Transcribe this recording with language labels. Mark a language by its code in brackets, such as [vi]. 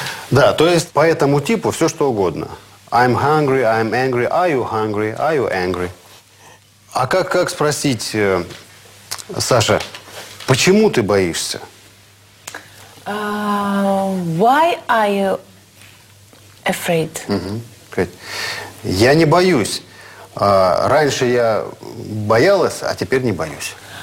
[ru] Да, то есть по этому типу все что угодно. [en] I'm hungry, I'm angry, are you hungry, are you angry? [ru] А как спросить, Саша, почему ты боишься? [en] Why are you afraid? [ru] Угу. Я не боюсь. Раньше я боялась, а теперь не боюсь.